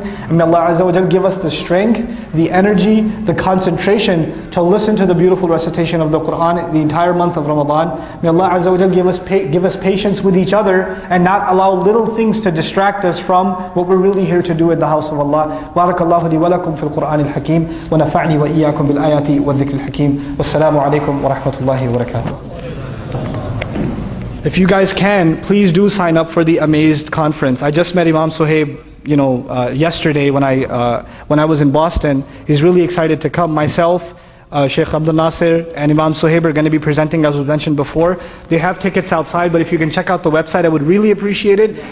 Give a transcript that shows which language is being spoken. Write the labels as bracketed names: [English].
[English] And may Allah Azza wa Jal give us the strength, the energy, the concentration to listen to the beautiful recitation of the Quran the entire month of Ramadan. May Allah Azza wa Jal give us patience with each other and not allow little things to distract us from what we're really here to do in the house of Allah. [Arabic] Barakallahu li wa lakum في القرآن الحكيم ونفعني وإياكم بالآيات والذكر الحكيم والسلام عليكم ورحمة الله وبركاته. [English] If you guys can, please do sign up for the Amazed conference. I just met Imam Suhaib, you know, yesterday when I was in Boston. He's really excited to come. Myself, Sheikh Abdul Nasir, and Imam Suhaib are going to be presenting, as was mentioned before. They have tickets outside, but if you can check out the website, I would really appreciate it.